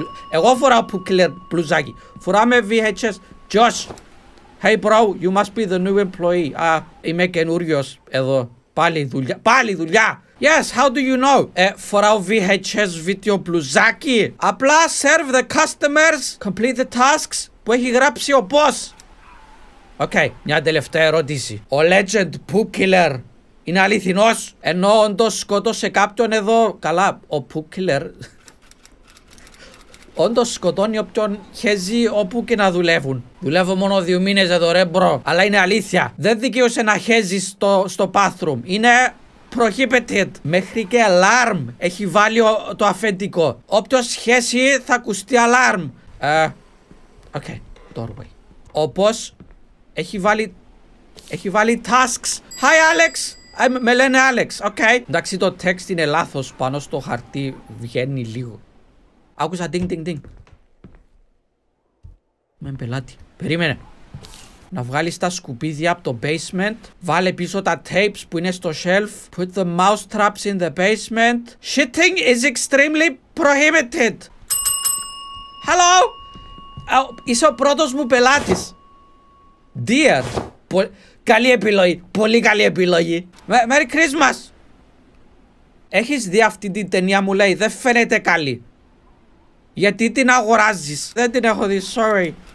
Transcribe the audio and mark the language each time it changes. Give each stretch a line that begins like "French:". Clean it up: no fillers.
Greek: Εγώ φοράω Poop Killer μπλουζάκι! Φοράμε VHS! Josh!
English: Hey bro, you must be the new employee!
Greek: Είμαι καινούριος εδώ! Πάλι δουλειά!
English: Yes, how do you know?
Greek: Φοράω VHS video μπλουζάκι. Απλά
English: serve the customers, complete the tasks
Greek: που έχει γράψει ο boss. Okay, μια τελευταία ερώτηση. Ο legend Poop Killer είναι αληθινός? Ενώ όντως σκότωσε κάποιον εδώ. Καλά, ο Poop Killer όντως σκοτώνει όποιον χέζει όπου και να δουλεύουν. Δουλεύω μόνο 2 μήνες εδώ ρε μπρο. Αλλά είναι αλήθεια. Δεν δικαιούσε να χέζει στο bathroom. Είναι... prohibited. Μέχρι και alarm έχει βάλει το αφεντικό. Όποιος χέσει θα ακουστεί alarm. Okay. Doorway. Όπως έχει βάλει tasks. Hi Alex. Με λένε Alex. Okay. Εντάξει, το text είναι λάθος. Πάνω στο χαρτί βγαίνει λίγο. Άκουσα ding ding ding. Με πελάτη. Περίμενε. Να βγάλεις τα σκουπίδια από το basement. Βάλε πίσω τα tapes που είναι στο shelf.
English: Put the mouse traps in the basement. Shitting is extremely prohibited. Hello.
Greek: Είσαι ο πρώτος μου πελάτης. Dear. Καλή επιλογή. Πολύ καλή επιλογή.
English: Merry Christmas.
Greek: Έχεις δει αυτή την ταινία μου λέει. Δεν φαίνεται καλή. Γιατί την αγοράζεις. Δεν την έχω δει. Sorry.